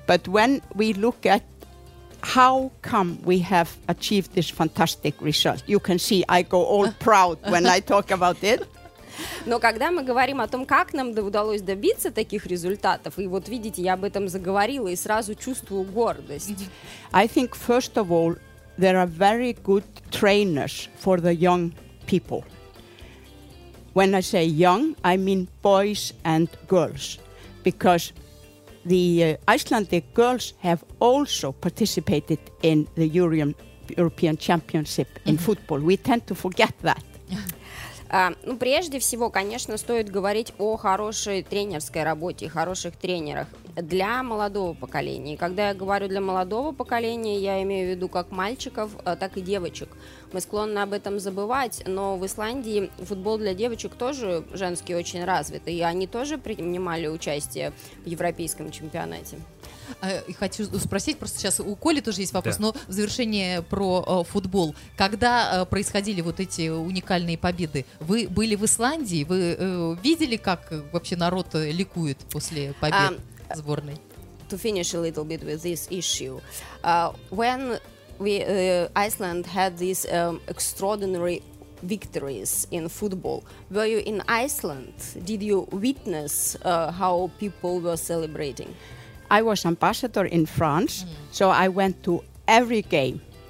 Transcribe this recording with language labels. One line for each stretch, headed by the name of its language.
English: But when we look at how come we have achieved this fantastic result? You can see I go all proud when I talk about it.
Russian: Но когда мы говорим о том, как нам удалось добиться таких результатов, и вот видите, я об этом заговорила и сразу чувствую гордость.
English: I think first of all there are very good trainers for the young people. When I say young, I mean boys and girls, because the Icelandic girls have also participated in the European Championship in football. We tend to forget that.
Russian: Ну, прежде всего, конечно, стоит говорить о хорошей тренерской работе, хороших тренерах для молодого поколения. И когда я говорю для молодого поколения, я имею в виду как мальчиков, так и девочек. Мы склонны об этом забывать, но в Исландии футбол для девочек тоже женский очень развит, и они тоже принимали участие в европейском чемпионате. Хочу спросить, просто сейчас у Коли тоже есть вопрос, да. Но в завершение про футбол. Когда происходили вот эти уникальные победы, вы были в Исландии? Вы видели, как вообще народ ликует после побед сборной?
English: To finish a little bit with this issue. When we, Iceland had these extraordinary victories in football, were you in Iceland? Did you witness how people were celebrating? I was ambassador in France, so I went to every game.